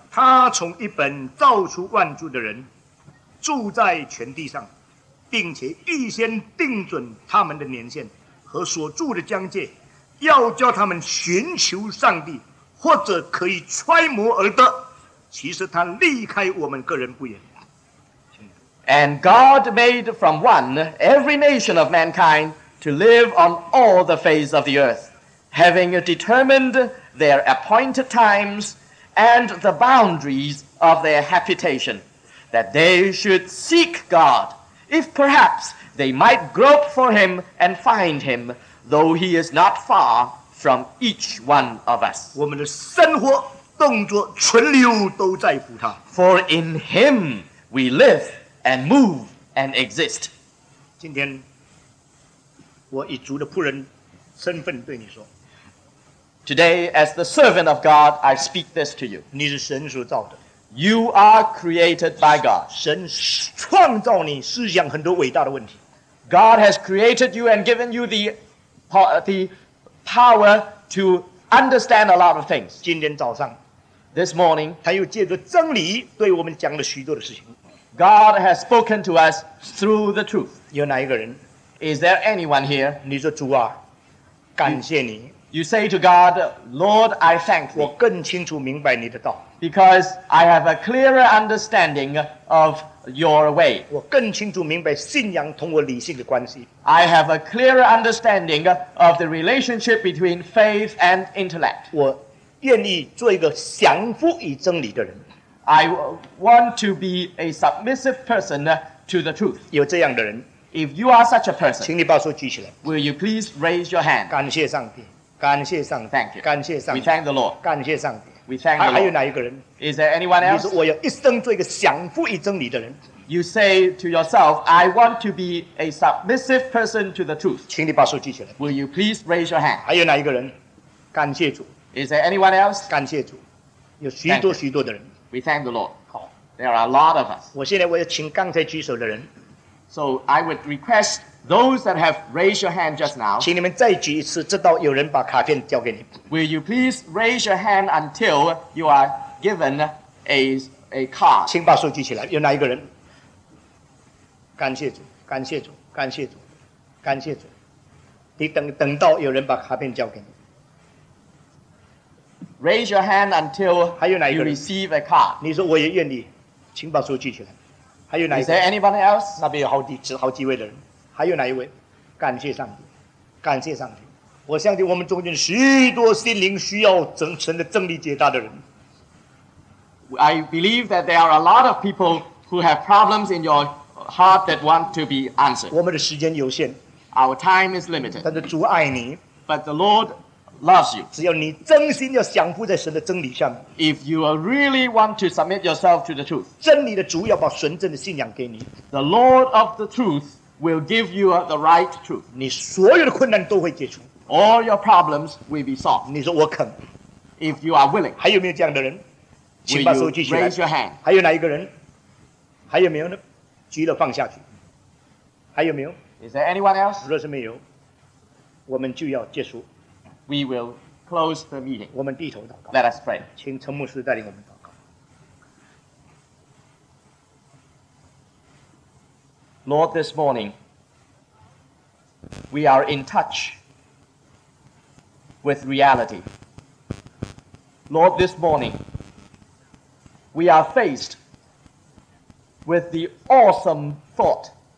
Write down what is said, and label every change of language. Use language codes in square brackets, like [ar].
[zh] 他从一本造出万族的人，住在全地上，并且预先定准他们的年限和所住的疆界。要叫他们寻求上帝，或者可以揣摩而得。其实他离开我们个人不远。 [en] And God made from one every nation of mankind to live on all the face of the earth, having determined their appointed times and the boundaries of their habitation, that they should seek God, if perhaps they might grope for him and find him. Though he is not far from each one of us. [zh] 我们的生活、动作、存留都在乎他。 [en] For in him we live and move and exist. [zh] 今天，我以主的仆人身份对你说。 [en] Today, as the servant of God, I speak this to you. [zh] 你是神所造的。 [en] You are created by God. [zh] 神创造你，思想很多伟大的问题。 [en] God has created you and given you the power to understand a lot of things. [zh] 今天早上 [en] This morning, [zh] 他又借着真理对我们讲了许多的事情。 [en] God has spoken to us through the truth. [zh] 有哪一个人？ [en] Is there anyone here? [zh] 你说主啊，感谢你。 [en] You say to God, Lord, I thank you. [zh] 我更清楚明白你的道。 [en] Because I have a clearer understanding of your way. [zh] 我更清楚明白信仰同我理性的关系。 [en] I have a clearer understanding of the relationship between faith and intellect. [zh] 我愿意做一个降服于真理的人。 [en] I want to be a submissive person to the truth. [zh] 有这样的人。 [en] If you are such a person, [zh] 请你把手举起来。 [en] Will you please raise your hand? [zh] 感谢上帝。感谢上帝。 [en] Thank you. [zh] 感谢上帝。 [en] We thank the Lord. [zh] 感谢上帝。 [en] We thank the Lord. [zh] 还有哪一个人？ [en] Is there anyone else? [zh] 你说我要一生做一个降服于真理的人。 [en] You say to yourself, I want to be a submissive person to the truth. [zh] 请你把手举起来。 [en] Will you please raise your hand? [zh] 还有哪一个人？感谢主。 [en] Is there anyone else? [zh] 感谢主。有许多许多的人。 [en] We thank the Lord. [zh] 好。 [en] There are a lot of us. [zh] 我现在我要请刚才举手的人。 [en] So I would request those that have raised your hand just now, [zh] 请你们再举一次，直到有人把卡片交给你。 [en] Will you please raise your hand until you are given a card? [zh] 请把手举起来。有哪一个人？感谢主，感谢主，感谢主，感谢主。你等到有人把卡片交给你。 [en] Raise your hand until [zh] 还有哪一个人 [en] you receive a card. [zh] 你说我也愿意，请把手举起来。还有哪一个 [en] Is there anyone else? [zh] 那边有好几位的人。还有哪一位？感谢上帝，感谢上帝！我相信我们中间许多心灵需要神的真理解答的人。 [en] I believe that there are a lot of people who have problems in your heart that want to be answered. [zh] 我们的时间有限 [en] ，Our time is limited. [zh] 但是主爱你 [en] ，But the Lord loves you. [zh] 只要你真心要降服在神的真理下面 [en] ，If you really want to submit yourself to the truth, [zh] 真理的主要把纯正的信仰给你 [en] ，The Lord of the truth. Will give you the right truth. [zh] 你所有的困难都会解除。 [en] All your problems will be solved. [zh] 你说我肯。 [en] If you are willing. [zh] 还有没有这样的人？请把手举起来。 [en] Will you raise your hand? [zh] 还有哪一个人？还有没有呢？举了放下去。还有没有？ [en] Is there anyone else? [zh] 若是没有，我们就要结束。 [en] We will close the meeting. [zh] 我们低头祷告。 [en] Let us pray. [zh] 请陈牧师带领我们祷告。 [en] Lord, this morning, we are in touch with reality. Lord, this morning, we are faced with the awesome thought